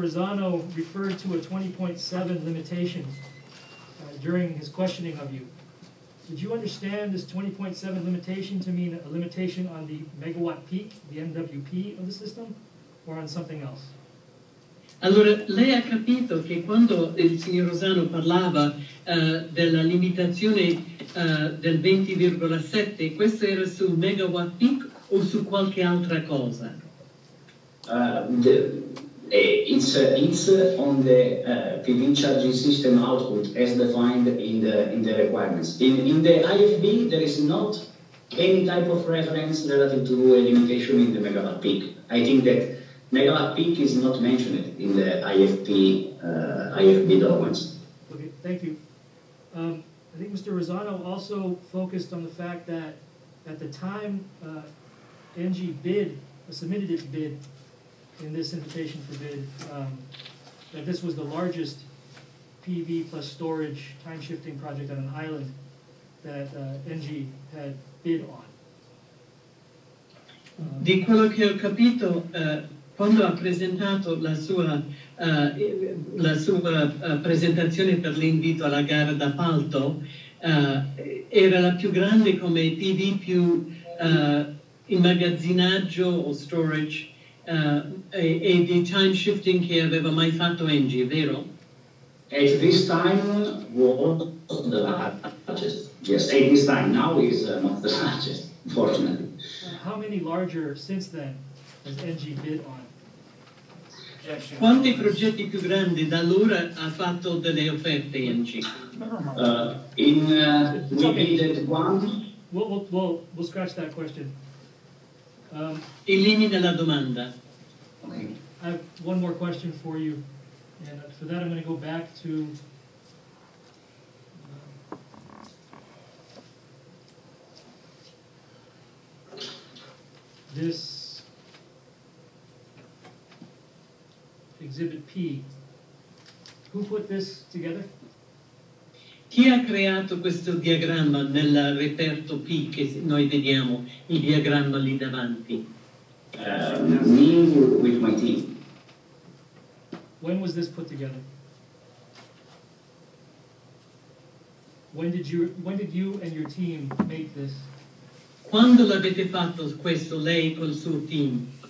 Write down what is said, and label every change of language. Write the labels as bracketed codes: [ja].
[en] Rosano referred to a 20.7 limitation during his questioning of you. Did you understand this 20.7 limitation to mean a limitation on the megawatt peak, the MWP of the system, or on something else? [it] Allora, lei ha capito che quando il signor Rosano parlava della limitazione del 20,7, questo era sul megawatt peak o su qualche altra cosa? [en] It's on the PV charging system output as defined in the requirements. In the IFB, there is not any type of reference relative to a limitation in the megawatt peak. I think that megawatt peak is not mentioned in the IFB documents. Okay, thank you. I think Mr. Rosano also focused on the fact that at the time Engie submitted its bid in this invitation for bid, that this was the largest PV plus storage time shifting project on an island that Engie had bid on. [it] Di quello che ho capito, quando ha presentato la sua presentazione per l'invito alla gara d'appalto, era la più grande come PV più immagazzinaggio o storage e di time shifting che aveva mai fatto Engie, vero? [en] At this time was the largest. Yes, at this time, now is not the largest, fortunately. How many larger since then has Engie bid on? [it] Quanti progetti più grandi da allora ha fatto delle offerte in C? [en] We'll scratch that question. [it] Elimina la domanda. [en] I have one more question for you. And for that, I'm going to go back to this exhibit P. Who put this together? [it] Chi ha creato questo diagramma nel reperto P che noi vediamo, il diagramma lì davanti? [en] Me with my team. When was this put together? When did you and your team make this? [it] Quando l'avete fatto questo, lei col suo team?